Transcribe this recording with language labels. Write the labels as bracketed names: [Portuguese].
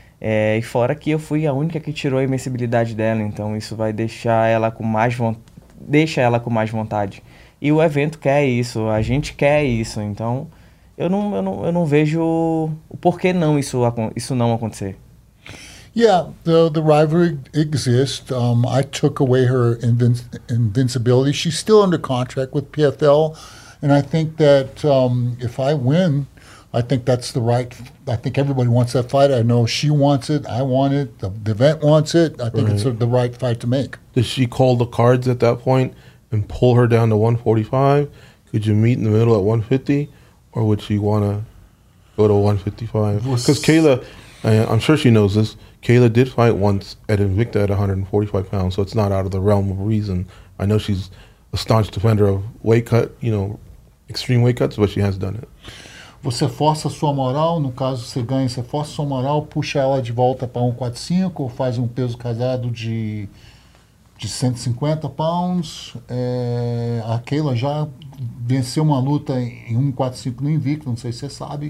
[Portuguese] E fora que eu fui a única que tirou a invencibilidade dela, então isso vai deixar ela com mais deixa ela com mais vontade. E o evento quer isso, a gente quer isso, então eu não vejo o porquê não isso não acontecer. [English] Yeah, the rivalry exists. I took away her invincibility. She's still under contract with PFL, and I think that if I win, I think that's the right. I think everybody wants that fight. I know she wants it. I want it. The event wants it. I think right. It's the right fight to make. Does she call the cards at that point and pull her down to 145? Could you meet in the middle at 150, or would she want to go to 155? Because Kayla, I'm sure she knows this. Kayla did fight once at Invicta at 145 pounds, so it's not out of the realm of reason. I know she's a staunch defender of weight cut, you know, extreme weight cuts, but she has done it. [Portuguese] Você força sua moral, no caso você ganha, você força sua moral, puxa ela de volta para 145 ou faz um peso casado de 150 pounds. A Kayla já venceu uma luta em 145 no Invicta, não sei se você sabe.